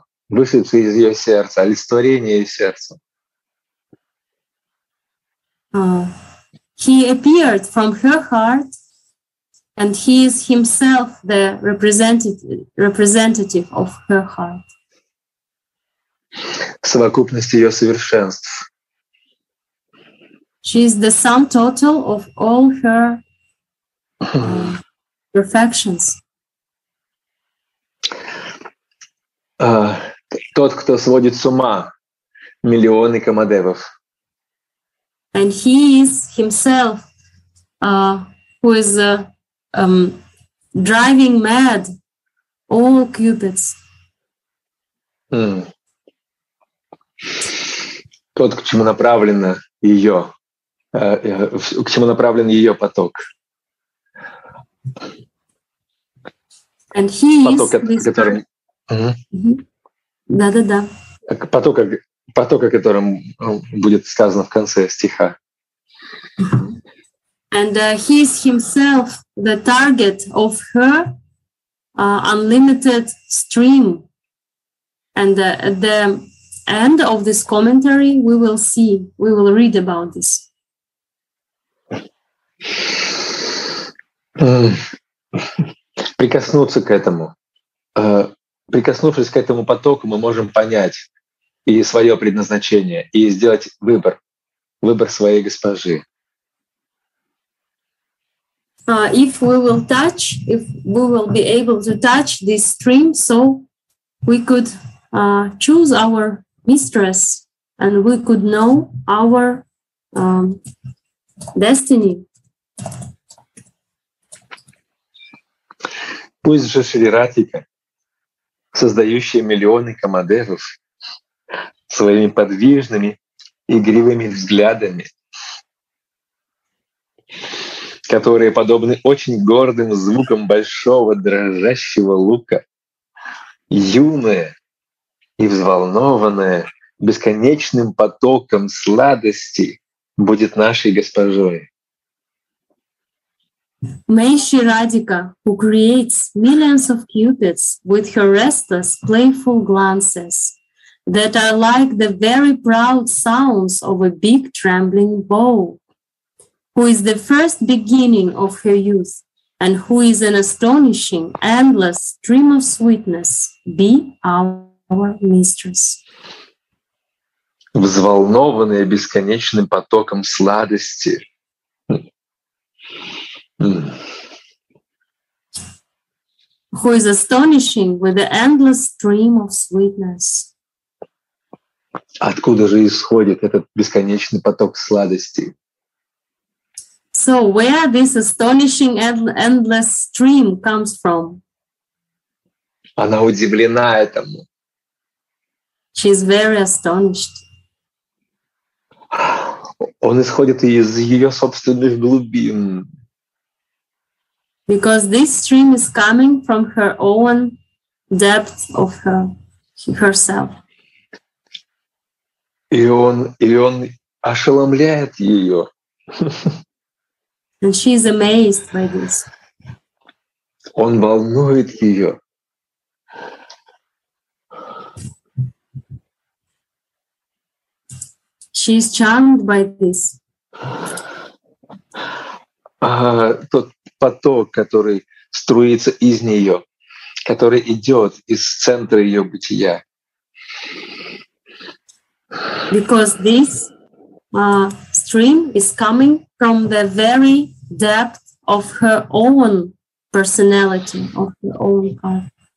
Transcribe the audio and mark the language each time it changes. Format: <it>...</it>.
<ru>Вышедшее из её сердца, олицетворение сердца.</ru> <en>He appeared from her heart, and he is himself the representative of her heart.</en> <ru>Совокупность её совершенств.</ru> <en>She is the sum total of all her perfections.</en> <ru>Тот, кто сводит с ума миллионы камадевов.</ru> <en>And he is himself who is driving mad all Cupids. Mm.</en> <ru>Тот, к чему направлено ее. К чему направлен ее поток?</ru> <en>And he</en> <ru>поток,</ru> <en>is</en> <ru>которым... Да, да, да. Потока, которым будет сказано в конце стиха.</ru> <en>And he is himself the target of her unlimited stream. And at the end of this commentary, we will see, we will read about this.</en> <ru>Прикоснуться к этому. Прикоснувшись к этому потоку, мы можем понять и свое предназначение, и сделать выбор, выбор своей госпожи.</ru> <en>If we will touch, if we will be able to touch this stream, so we could choose our mistress, and we could know our destiny.</en> <ru>Пусть же Шриратика, создающая миллионы камадевов своими подвижными игривыми взглядами, которые подобны очень гордым звукам большого дрожащего лука, юная и взволнованная бесконечным потоком сладости, будет нашей госпожой.</ru> <en>May she Radhika, who creates millions of cupids with her restless, playful glances that are like the very proud sounds of a big trembling bow, who is the first beginning of her youth and who is an astonishing, endless stream of sweetness, be our mistress.</en> <ru>Взволнованная бесконечным потоком сладости.</ru> <en>Who is astonishing with the endless stream of sweetness.</en> <ru>Откуда же исходит этот бесконечный поток сладости?</ru> <en>So where this astonishing endless stream comes from?</en> <ru>Она удивлена этому.</ru> <en>She is very astonished.</en> <ru>Он исходит из ее собственных глубин.</ru> <en>Because this stream is coming from her own depth of her, herself.</en> <ru>И он ошеломляет ее.</ru> <en>And she is amazed by this.</en> <ru>Он волнует ее.</ru> <en>She is charmed by this.</en> <ru>Тот поток, который струится из нее, который идет из центра ее бытия.</ru> <en>Because this stream is coming from the very depth of her own personality, of her own heart.</en>